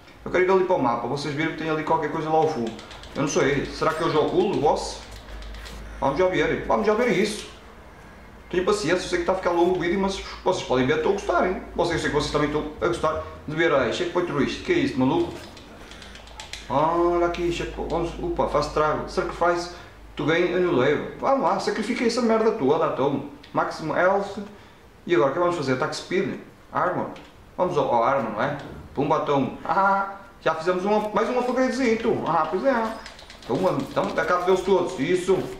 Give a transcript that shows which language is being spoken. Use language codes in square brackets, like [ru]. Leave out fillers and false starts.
[pt] Eu quero ir ali para o mapa, vocês viram que tem ali qualquer coisa lá ao fundo. Eu não sei, será que eu jogo o boss? Vamos já ver isso. Tenho paciência, eu sei que está a ficar longo o vídeo, mas vocês podem ver, estou a gostar, hein? Vocês, eu sei que vocês também estão a gostar de ver aí. Checkpoint Rist, que é isso, maluco? Olha aqui, checkpoint, vamos, opa, faz trago. [en] Sacrifice to gain a new level. [pt] Vamos lá, sacrifiquei essa merda toda, então. [en] Maximum health. [pt] E agora, o que vamos fazer? [en] Attack speed? Armor? [pt] Vamos ao armor, não é? Pumba, tomo. Ah, já fizemos mais um upgradezinho. Ah, pois é. Então, acabo de vê-los todos, isso.